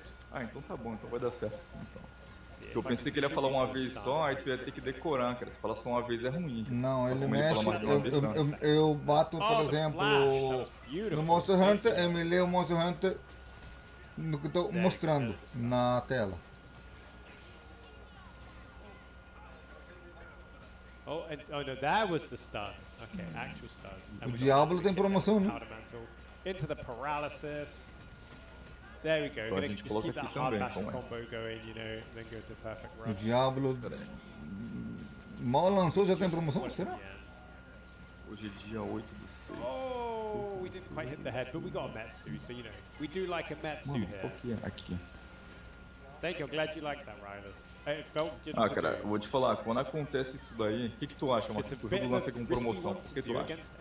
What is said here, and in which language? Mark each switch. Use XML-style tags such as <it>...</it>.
<pt>Ah, então tá bom, então vai dar certo sim. Então. Eu pensei que ele ia falar uma vez só, aí tu ia ter que decorar, cara. Se falar só uma vez é ruim. Não, ele mexe, eu bato, por exemplo, no Monster Hunter, ele me lê o Monster Hunter no que eu tô mostrando na tela.</pt> <en>Oh, and, oh no, that was the stun. Okay, actual stun.</en> <pt>O Diablo tem promoção, né?</pt> <en>Into the paralysis. There we go.</en> <pt>Então a gente coloca aqui também,</pt> <en>combo going, you know, then go to perfect run.</en> <pt>O Diablo mal lançou, já tem promoção, será? Hoje é dia 8 do 6.</pt> <en>Oh, we didn't quite hit the head, but we got a Metsu, so you know, we do like a Metsu here.</en> <pt>Mano, aqui, aqui.</pt> <en>Thank you, I'm glad you like that, Rylus.</en> <pt>Ah, cara, eu vou te falar, quando acontece isso daí, o que, que tu acha, mano? O jogo lança com promoção, o que tu acha?</pt>